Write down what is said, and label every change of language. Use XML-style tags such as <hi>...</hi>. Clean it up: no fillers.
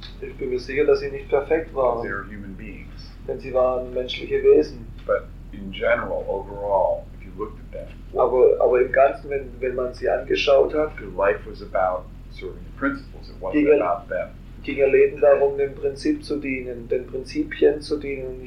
<de>Ich bin mir sicher, dass sie nicht perfekt waren.</de> <en>They were human beings.</en> <de>Denn sie waren menschliche Wesen.</de> <en>But in general, overall, if you looked at them.</en> <de>Aber im Ganzen, wenn man sie angeschaut hat.</de> <en>Their life was about serving the principles. It wasn't about them.</en> <de>Ging ihr Leben darum, dem Prinzip zu dienen, den Prinzipien zu dienen.</de>